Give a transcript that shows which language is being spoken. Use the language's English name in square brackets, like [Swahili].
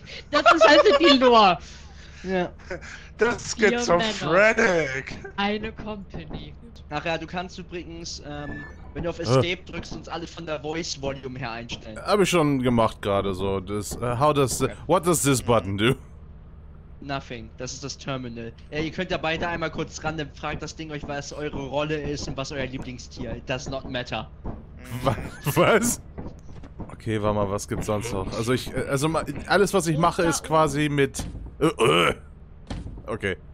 [German] Das ist halt so die Lore. Ja. Das ist schizophrenic. Eine Company. Nachher, du kannst übrigens, wenn du auf Escape drückst, uns alle von der Voice Volume her einstellen. Hab ich schon gemacht gerade so. [English] What does this button do? Nothing. [German] Das ist das Terminal. Ihr könnt ja beide einmal kurz ran, dann fragt das Ding euch, was eure Rolle ist und was euer Lieblingstier. [English] It does not matter. [German] Was? Okay, warte mal, was gibt's sonst noch? Also ich, also alles, was ich mache, ist quasi mit. Okay.